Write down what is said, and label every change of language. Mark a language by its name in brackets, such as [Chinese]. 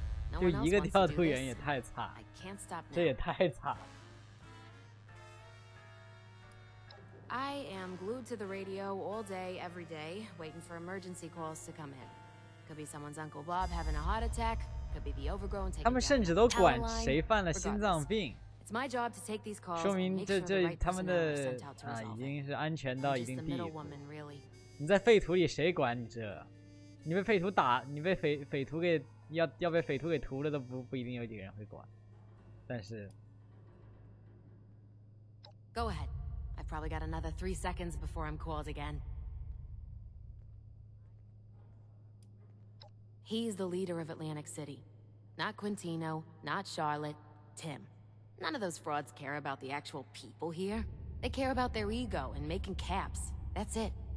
[English] No one else wants to do this. [Chinese] 就一个调度员也太惨。 [English] I can't stop now. [Chinese] 这也太惨。 [English] I am glued to the radio all day, every day, waiting for emergency calls to come in. Could be someone's Uncle Bob having a heart attack. [Chinese] 他们甚至都管谁犯了心脏病，说明这他们的啊已经是安全到一定地步。你在废土里谁管你这？你被废土打，你被匪徒给要被匪徒给屠了都不一定有几个人会管。但是 [English] ，Go ahead. I've probably got another 3 seconds before I'm called again. He's the leader of Atlantic City. Not Quintino, not Charlotte, Tim. None of those frauds care about the actual people here. They care about their ego and making caps. That's it.